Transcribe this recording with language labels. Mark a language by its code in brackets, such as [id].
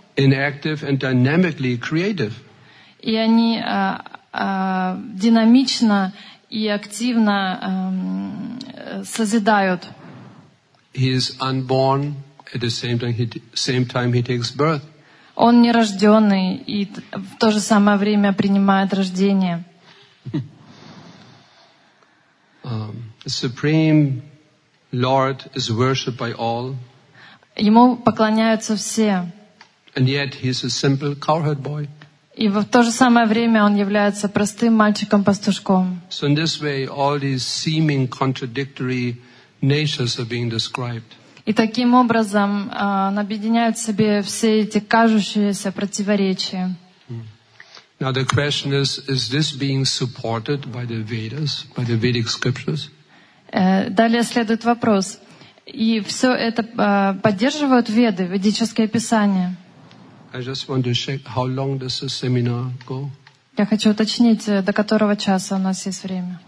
[en] Inactive and dynamically creative. [ru] И они динамично и активно созидают. [en] He is unborn at the same time he takes birth. [ru] Он нерожденный и в то же самое время принимает рождение. [en] The Supreme Lord is worshipped by all. [ru] Ему поклоняются все. [en] And yet he is a simple cowherd boy. [ru] И в то же самое время он является простым мальчиком-пастушком. [en] So in this way, all these seeming contradictory natures are being described. [ru] И таким образом он объединяет в себе все эти кажущиеся противоречия. [en] Now the question is this being supported by the Vedas, by the Vedic scriptures? [ru] Далее следует вопрос. И все это поддерживают Веды, ведическое писание? [en] I just want to check how long does the seminar go? [ru] Я хочу уточнить, до которого часа у нас есть время.